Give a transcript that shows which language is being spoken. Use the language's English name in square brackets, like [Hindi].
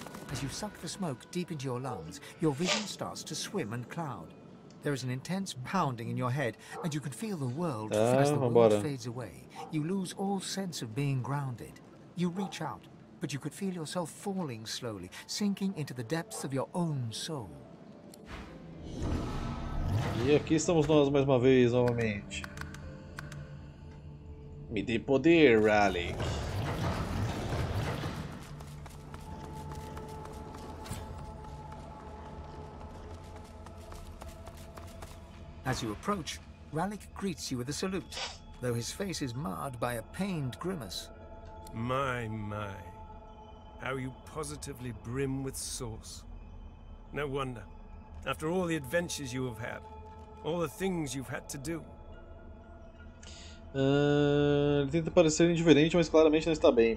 [English] As you suck the smoke deep into your lungs, your vision starts to swim and cloud. There is an intense pounding in your head, and you can feel the world as the world fades away. You lose all sense of being grounded. You reach out, but you could feel yourself falling slowly, sinking into the depths of your own soul. [Portuguese] E aqui estamos nós mais uma vez, novamente. Me dê poder, Rally. [English] As you approach, Ralik greets you with a salute, though his face is marred by a pained grimace. My, my. How you positively brim with sauce. No wonder. After all the adventures you have had, all the things you've had to do. [Portuguese] Ele tenta parecer indiferente, mas claramente não está bem.